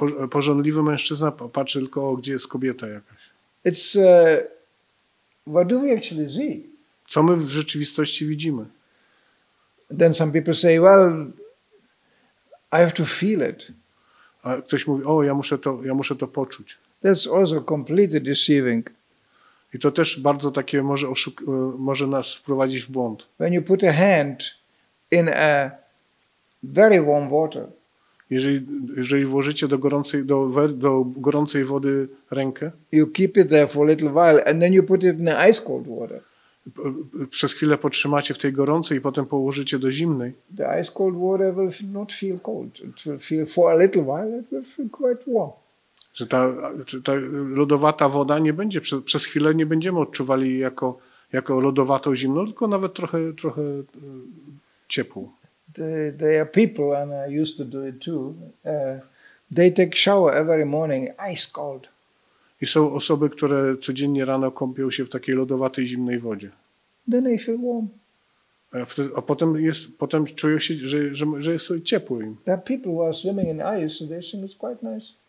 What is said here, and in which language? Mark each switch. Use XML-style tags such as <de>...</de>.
<pl>Pożądliwy mężczyzna patrzy tylko, gdzie jest kobieta jakaś.</pl> <en>It's what do we actually see?</en> <pl>Co my w rzeczywistości widzimy?</pl> <en>Then some people say, well, I have to feel it.</en> <pl>A ktoś mówi, ja muszę to poczuć.</pl> <en>That's also completely deceiving.</en> <pl>I to też bardzo takie może nas wprowadzić w błąd.</pl> <en>When you put a hand in a very warm water.</en> <pl>Jeżeli włożycie do gorącej wody rękę.</pl> <en>You keep it there for a little while and then you put it in the ice cold water.</en> <pl>Przez chwilę podtrzymacie w tej gorącej i potem położycie do zimnej.</pl> <en>The ice cold water will not feel cold. It will feel for a little while, it will feel quite warm.</en> <pl>Że ta lodowata woda nie będzie, przez chwilę nie będziemy odczuwali jako lodowatą zimną, tylko nawet trochę ciepło.</pl> <en>They are people, and I used to do it too. They take shower every morning, ice cold.</en> <pl>I są osoby, które codziennie rano kąpią się w takiej lodowatej, zimnej wodzie.</pl> <en>Then they feel warm.</en> <pl>A potem potem czują się, że jest ciepło im.</pl> <en>There are people who are swimming in ice, so they think it's quite nice.</en>